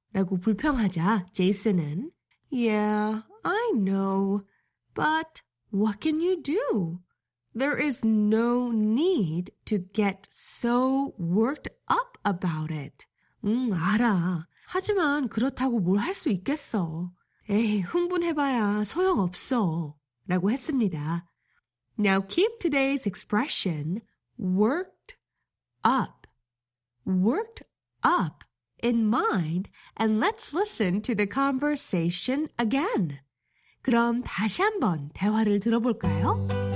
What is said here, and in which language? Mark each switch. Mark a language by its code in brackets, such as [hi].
[ko] 라고 불평하자 제이슨은 [en] Yeah, I know. But what can you do? There is no need to get so worked up about it. [ko] 알아. 하지만 그렇다고 뭘 할 수 있겠어. 에이, 흥분해봐야 소용없어. 라고 했습니다. [en] Now keep today's expression, worked up. Worked up in mind, and let's listen to the conversation again. [ko] 그럼 다시 한번 대화를 들어볼까요?